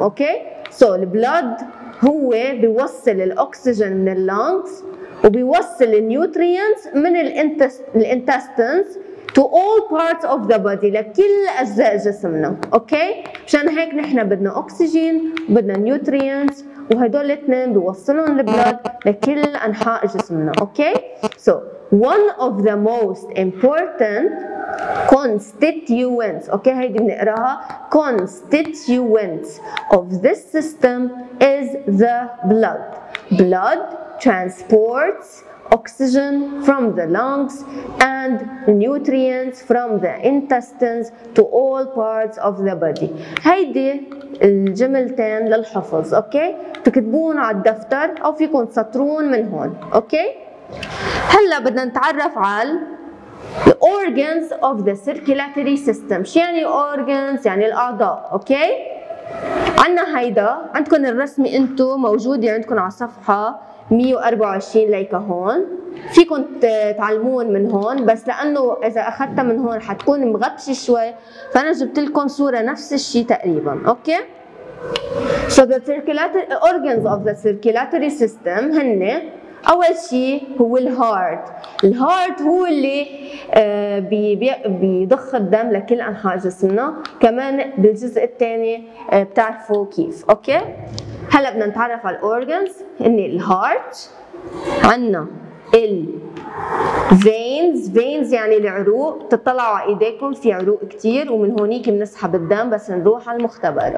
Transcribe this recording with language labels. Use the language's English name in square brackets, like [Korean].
[Arabic] أوكي؟ [English] so the blood [Arabic] هو بيوصل الأكسجين من اللونجز وبيوصل النيوترينتس من الانتستنس [English] to all parts of the body، [Arabic] لكل أجزاء جسمنا. أوكي؟ مشان هيك نحن بدنا أكسجين وبدنا نيوترينتس، وهدول الاثنين بيوصلهم البلد لكل أنحاء جسمنا. [English] Okay? so one of the most important constituents، [Arabic] أوكي هيدي بنقراها [English] constituents of this system is the blood. blood transports oxygen from the lungs and nutrients from the intestines to all parts of the body. [Arabic] هيدي الجملتين للحفظ. اوكي، تكتبون على الدفتر او فيكم تسطرون من هون. اوكي، هلا بدنا نتعرف على [English] the organs of the circulatory system. [Arabic] شو يعني organs؟ يعني الاعضاء. اوكي، عندنا هيدا، عندكم الرسمي انتو موجود عندكم على صفحة 124 ليك هون، فيكم تعلمون من هون، بس لانه اذا اخذتها من هون حتكون مغبش شوي، فانا جبت لكم صوره نفس الشيء تقريبا. [English] okay, so the circulatory organs of the circulatory system [Arabic] هن اول شيء هو الهارت. الهارت هو اللي بيضخ الدم لكل انحاء جسمنا، كمان بالجزء الثاني بتعرفوا كيف. اوكي، هلا بدنا نتعرف على الاورجنز. ان الهارت عندنا الفينز، فينز يعني العروق، بتطلعوا على ايديكم في عروق كثير ومن هونيك بنسحب الدم بس نروح على المختبر.